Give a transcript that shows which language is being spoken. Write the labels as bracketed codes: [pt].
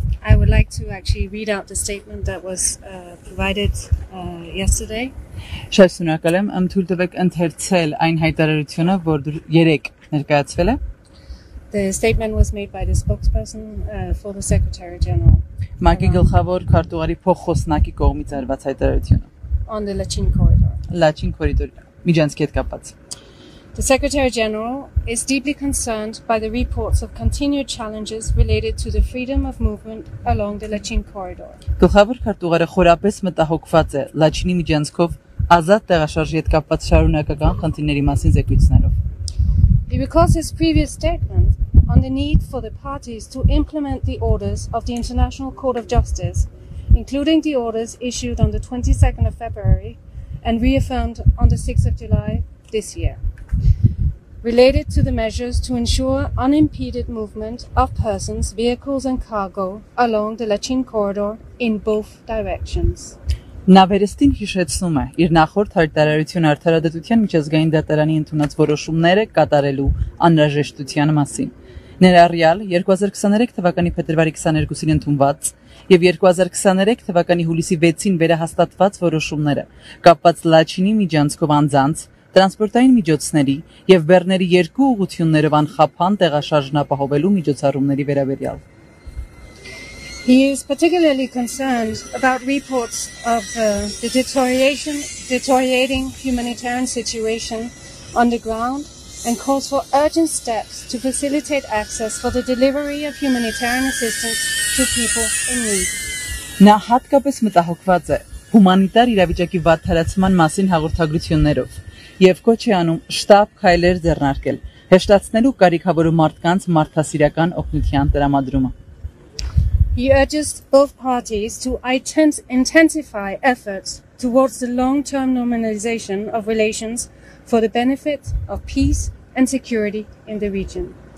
[en] I would like to actually read out the statement that was provided yesterday. [hy] Շնորհակալ եմ, ըմ թույլ տվեք ընթերցել այն հայտարարությունը, որ երեք ներկայացվել է. [en] The statement was made by the spokesperson for the Secretary General. [hy] ՄԱԿ-ի գլխավոր քարտուղարի փոխոսնակի կողմից արված հայտարարությունը. [en] On the Lachine corridor. [hy] Lachine corridor, միջանցքի հետ կապված. [en] The Secretary General is deeply concerned by the reports of continued challenges related to the freedom of movement along the Lachine corridor. [hy] Գլխավոր քարտուղարը խորապես մտահոգված է Լաչինի միջանցքով ազատ տեղաշարժի հետ կապված շարունակական խնդիրների մասին զեկույցներով. [en] He recalls his previous statement on the need for the parties to implement the orders of the International Court of Justice, including the orders issued on the 22nd of February and reaffirmed on the 6th of July this year, related to the measures to ensure unimpeded movement of persons, vehicles and cargo along the Lachine corridor in both directions. [hy] Նավերստին հիշեցնում է իր նախորդ հայտարարություն արդարադատության միջազգային դատարանի ընդունած որոշումները կատարելու անհրաժեշտության մասին։ Ներառյալ 2023 թվականի փետրվարի 22-ին ընդունված եւ 2023 թվականի հուլիսի 6-ին վերահաստատված որոշումները կապված Լաչինի միջանցքով անձանց, տրանսպորտային միջոցների եւ բեռների երկու ուղություններով անխափան տեղաշարժն ապահովելու միջոցառումների վերաբերյալ։ [en] He is particularly concerned about reports of the deteriorating humanitarian situation on the ground and calls for urgent steps to facilitate access for the delivery of humanitarian assistance to people in need. [hy] Նա հատկապես մտահոգված է հումանիտար իրավիճակի վատթարացման մասին հաղորդագրություններով եւ կոչ է անում շտապ քայլեր ձեռնարկել հեշտացնելու կարիքավոր մարդկանց մարդասիրական օգնության տրամադրումը. [en] He urges both parties to intensify efforts towards the long-term normalization of relations for the benefit of peace and security in the region.